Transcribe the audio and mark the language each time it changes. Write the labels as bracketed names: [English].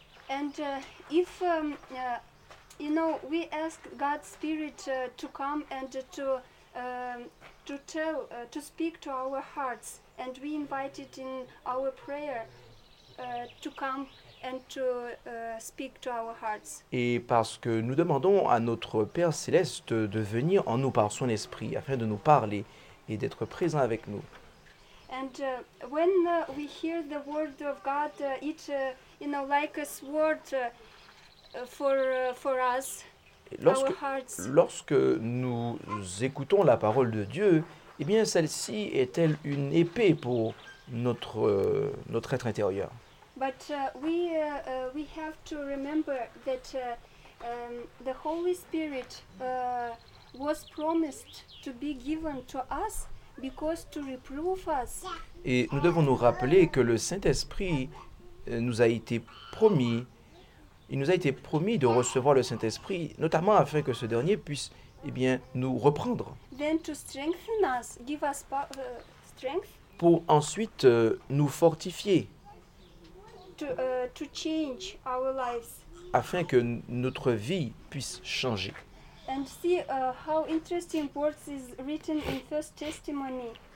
[English] And if you know, we ask God's Spirit to come and to tell, to speak to our hearts, and we invite it in our prayer to come and to speak to our hearts. [French] Et parce que nous demandons à notre Père céleste de venir en nous par son esprit afin de nous parler et d'être présent avec nous. [English] And when we hear the word of God, it you know, like a sword for us, [French] lorsque, [English] our hearts. [French] Lorsque nous écoutons la parole de Dieu, eh bien celle-ci est-elle une épée pour notre être intérieur. [English] But we have to remember that the Holy Spirit was promised to be given to us because to reprove us. [French] Et nous devons nous rappeler que le Saint-Esprit nous a été promis. Il nous a été promis de recevoir le Saint-Esprit, notamment afin que ce dernier puisse, eh bien, nous reprendre. [English] Then to strengthen us, give us strength. [French] Pour ensuite nous fortifier. [English] To change our lives. [French] Afin que notre vie puisse changer. [English] And see how interesting words is written in First Testimony.